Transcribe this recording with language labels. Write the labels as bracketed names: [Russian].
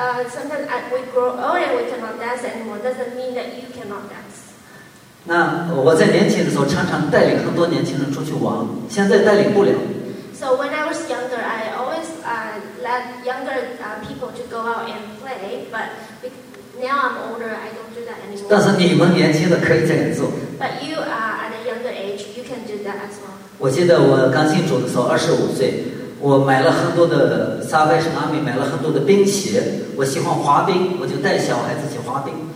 [English] sometimes we grow old and we cannot dance anymore. Doesn't mean that you cannot dance. [Chinese] 那我在年轻的时候，常常带领很多年轻人出去玩。现在带领不了。 [English] So when I was younger, I always let younger people to go out and play. But now I'm older, I don't do that anymore. [Chinese] 但是你们年轻的可以这样做。 [English] But you are at a younger age, you can do that as well. [Chinese] 我记得我刚信主的时候，25岁。我买了很多的沙威士阿米，买了很多的冰鞋。我喜欢滑冰，我就带小孩子去滑冰。